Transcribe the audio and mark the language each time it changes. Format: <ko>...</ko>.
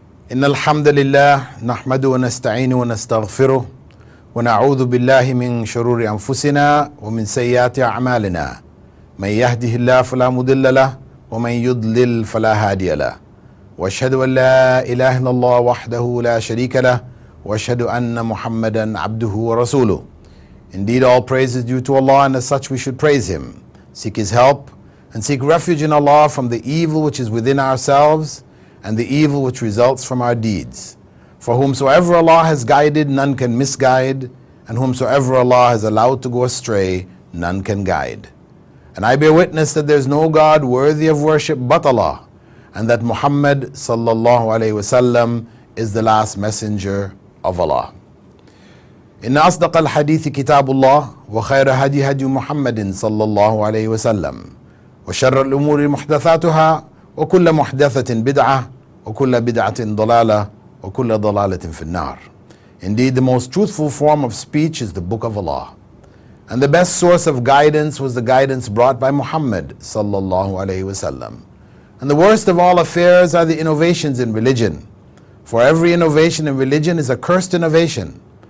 <ar>إن الحمد لله نحمده ونستعينه ونستغفره ونعوذ بالله من شرور أنفسنا ومن سيئات أعمالنا، من يهده الله فلا مضل له ومن يضلل فلا هادي له، وأشهد أن لا إله إلا الله وحده لا شريك له وأشهد أن محمدا عبده ورسوله.</ar> <en>Indeed, all praise is due to Allah, and as such we should praise Him. Seek His help and seek refuge in Allah from the evil which is within ourselves and the evil which results from our deeds. For whomsoever Allah has guided, none can misguide, and whomsoever Allah has allowed to go astray, none can guide. And I bear witness that there is no God worthy of worship but Allah, and that Muhammad sallallahu alayhi wa sallam is the last messenger of Allah.</en> <ar>إن أصدق الحديث كتاب الله وخير هدي هدي محمد صلى الله عليه وسلم وشر الأمور محدثاتها وكل محدثة بدعة وكل بدعة ضلالة وكل ضلالة في النار.</ar> <en>Indeed, the most truthful form of speech is the book of Allah, and the best source of guidance was the guidance brought by Muhammad صلى الله عليه وسلم. And the worst of all affairs are the innovations in religion, for every innovation in religion is a cursed innovation.</en>